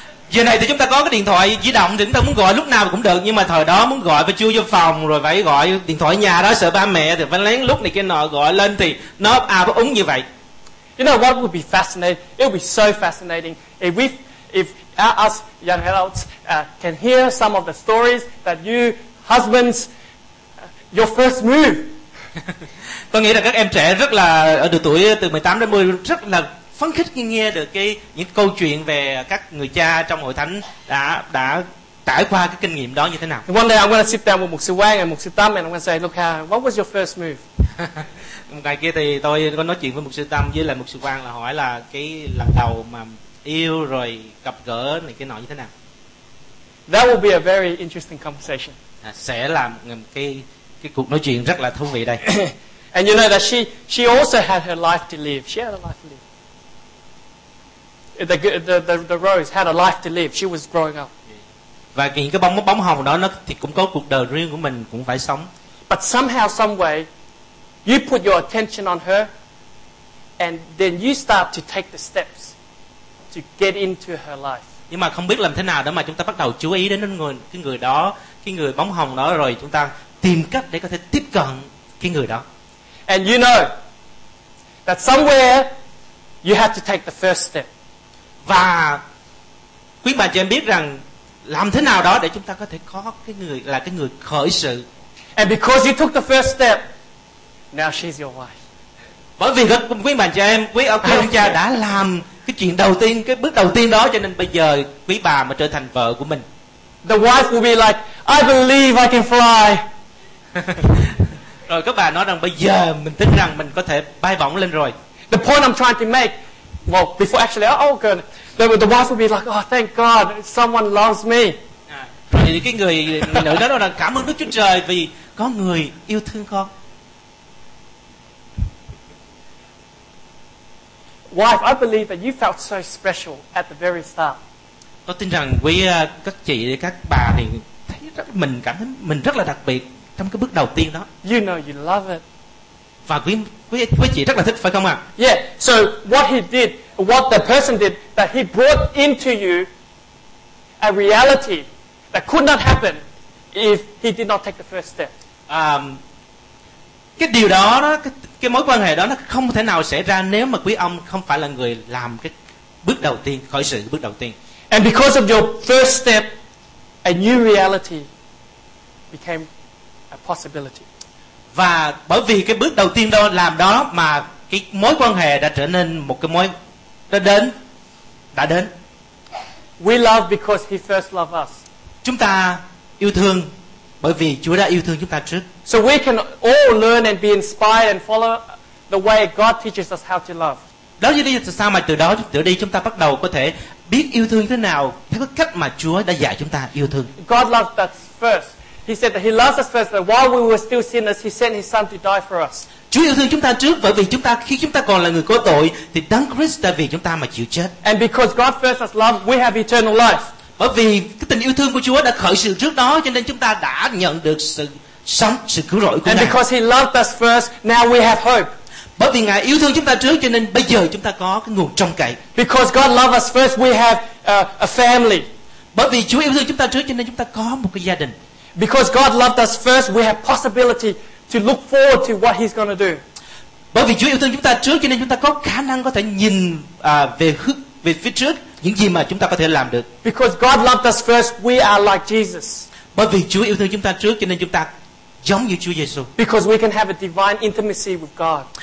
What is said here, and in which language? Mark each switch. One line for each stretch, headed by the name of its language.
Vietnamese: Giờ này thì chúng ta có cái điện thoại di động thì chúng ta muốn gọi lúc nào cũng được, nhưng mà thời đó muốn gọi phải chưa vô phòng rồi phải gọi điện thoại nhà đó sợ ba mẹ thì phải lén lúc này cái nọ gọi lên thì nó có úng như vậy.
English: You know what would be fascinating? It would be so fascinating if us young adults can hear some of the stories that you husbands your first move.
Vietnamese: Tôi nghĩ là các em trẻ rất là ở độ tuổi từ 18 đến 20 rất là phấn khích khi nghe được những câu chuyện về các người cha trong hội thánh đã trải qua cái kinh nghiệm đó như thế nào.
English: One day I'm going to sit down with Mục sư Quang and Mục sư Tâm and I'm going to say, look, what was your first move?
Vietnamese: Một ngày kia thì tôi có nói chuyện với Mục sư Tâm với lại Mục sư Quang là hỏi là cái lần đầu mà yêu rồi gặp gỡ này cái nọ như thế nào.
English: That will be a very interesting conversation.
Vietnamese: Sẽ là một cái cuộc nói chuyện rất là thú vị đây.
English: And you know that she also had her life to live. She had a life to live. The rose had a life to live. She was growing up.
Vietnamese: Và những cái bóng hồng đó nó thì cũng có cuộc đời riêng của mình cũng phải sống.
English: But somehow, some way, you put your attention on her, and then you start to take the steps to get into her life.
Vietnamese: Nhưng mà không biết làm thế nào đó mà chúng ta bắt đầu chú ý đến cái người đó, cái người bóng hồng đó rồi chúng ta tìm cách để có thể tiếp cận cái người đó.
English: And you know that somewhere you have to take the first step.
Vietnamese: Và quý bà chị em biết rằng làm thế nào đó để chúng ta có thể có cái người là cái người khởi sự.
English: And because you took the first step, now she's your wife.
Vietnamese: Bởi vì quý bà chị em, quý ông cha đã làm cái chuyện đầu tiên, cái bước đầu tiên đó, cho nên bây giờ quý bà mà trở thành vợ của mình.
English: The wife will be like, I believe I can fly.
Vietnamese: Rồi các bà nói rằng bây giờ mình tin rằng mình có thể bay bổng lên rồi.
English: The point I'm trying to make, well, before actually, oh good, the wife will be like, oh thank God, someone loves me.
Vietnamese: Thì cái người nữ đó nói rằng cảm ơn Đức Chúa Trời vì có người yêu thương con.
English: Wife, I believe that you felt so special at the very start.
Vietnamese: Tôi tin rằng quý các chị, các bà thì thấy rất mình cảm thấy mình rất là đặc biệt trong cái bước đầu tiên đó.
English: You know you love it.
Vietnamese: Và quý chị rất là thích phải không ạ?
English: Yeah. So what he did, what the person did, that he brought into you a reality that could not happen if he did not take the first step.
Vietnamese: Cái điều đó, cái mối quan hệ đó nó không thể nào xảy ra nếu mà quý ông không phải là người làm cái bước đầu tiên, khởi sự bước đầu tiên.
English: And because of your first step, a new reality became a possibility.
Vietnamese: Và bởi vì cái bước đầu tiên đó làm đó mà cái mối quan hệ đã trở nên một cái mối đã đến.
English: We love because he first loved us.
Vietnamese: Chúng ta yêu thương bởi vì Chúa đã yêu thương chúng ta trước.
English: So we can all learn and be inspired and follow the way God teaches us how to love.
Vietnamese: Đó là lý do sao mà từ đó chúng ta bắt đầu có thể biết yêu thương thế nào theo cái cách mà Chúa đã dạy chúng ta yêu thương.
English: God loved us first. He said that he loves us first, that while we were still sinners, he sent his son to die for us.
Vietnamese: Chúa yêu thương chúng ta trước bởi vì chúng ta khi chúng ta còn là người có tội thì Đấng Christ đã vì chúng ta mà chịu chết.
English: And because God first has loved, we have eternal life.
Vietnamese: Bởi vì cái tình yêu thương của Chúa đã khởi sự trước đó cho nên chúng ta đã nhận được sự sống, sự cứu rỗi của Ngài.
English: And because he loved us first, now we have hope.
Vietnamese: Bởi vì Ngài yêu thương chúng ta trước cho nên bây giờ chúng ta có cái nguồn trông cậy.
English: Because God loved us first, we have a family.
Vietnamese: Bởi vì Chúa yêu thương chúng ta trước cho nên chúng ta có một cái gia đình.
English: Because God loved us first, we have possibility to look forward to what he's going to do.
Vietnamese: Bởi vì Chúa yêu thương chúng ta trước cho nên chúng ta có khả năng có thể nhìn về phía trước những gì mà chúng ta có thể làm được.
English: Because God loved us first, we are like Jesus.
Vietnamese: Bởi vì Chúa yêu thương chúng ta trước cho nên chúng ta giống như Chúa Giêsu.
English: Because we can have a divine intimacy with God.